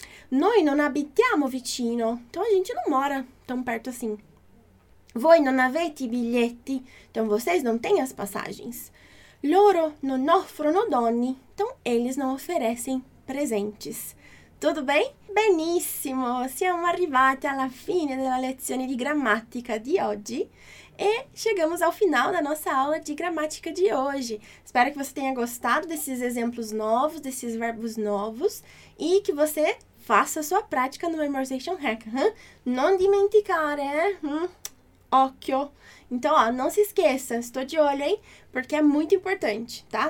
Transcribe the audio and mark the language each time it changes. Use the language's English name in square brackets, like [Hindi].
[Italian] Noi non abitiamo vicino, [Portuguese] então a gente não mora tão perto assim. [Italian] Voi non avete i biglietti, [Portuguese] então vocês não têm as passagens. [Italian] Loro non offrono doni, [Portuguese] então eles não oferecem presentes. Tudo bem? Benissimo! [Italian] Siamo arrivati alla fine della lezione di grammatica di oggi [Portuguese] e chegamos ao final da nossa aula de gramática de hoje. Espero que você tenha gostado desses exemplos novos, desses verbos novos e que você faça a sua prática no Memorization Hack. Não [Italian] dimenticare, Occhio! [Portuguese] Então, ó, não se esqueça, estou de olho, hein? Porque é muito importante, tá?